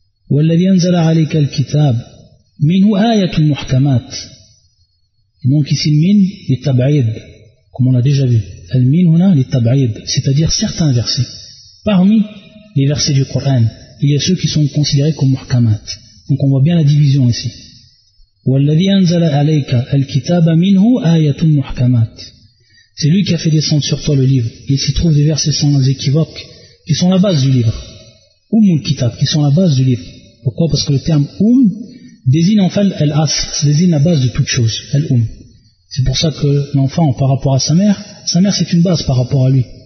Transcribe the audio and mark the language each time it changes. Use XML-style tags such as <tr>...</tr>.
<ar>Wa alladhi anzala alayka al-kitab minhu ayatun muhkamat.</ar> <fr>Donc ici min li tab'id, comme on a déjà vu.</fr> <ar>Al-min huna li tab'id,</ar> <fr>c'est-à-dire certains versets. Parmi les versets du Coran, il y a ceux qui sont considérés comme muhkamat. Donc on voit bien la division ici.</fr> <ar>والذي أنزل عليك الكتاب منه آيات محكمات.</ar> <fr>C'est lui qui a fait descendre sur toi le livre. Il s'y trouve des versets sans équivoque qui sont la base du livre. Umul kitab, qui sont la base du livre. Pourquoi? Parce que le terme um désigne en fait l'as, désigne la base de toute chose, l'um. C'est pour ça que l'enfant, par rapport à sa mère c'est une base par rapport à lui.</fr>